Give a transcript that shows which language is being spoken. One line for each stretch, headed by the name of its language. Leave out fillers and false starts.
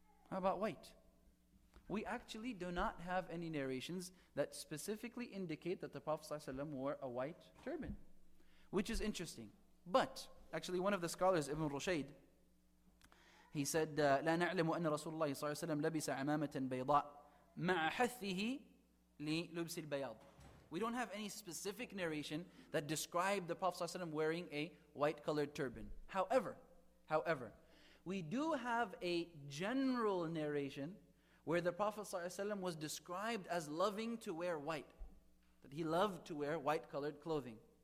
English: How about white? We actually do not have any narrations that specifically indicate that the Prophet ﷺ wore a white turban, which is interesting. But actually, one of the scholars, Ibn Rushayd, he said,
Arabic: لا نعلم أن رسول الله صلى الله عليه وسلم لبس عمامة بيضاء مع حثه للبس البياض.
English: We don't have any specific narration that described the Prophet ﷺ wearing a white-colored turban. However, we do have a general narration where the Prophet ﷺ was described as loving to wear white, that he loved to wear white-colored clothing.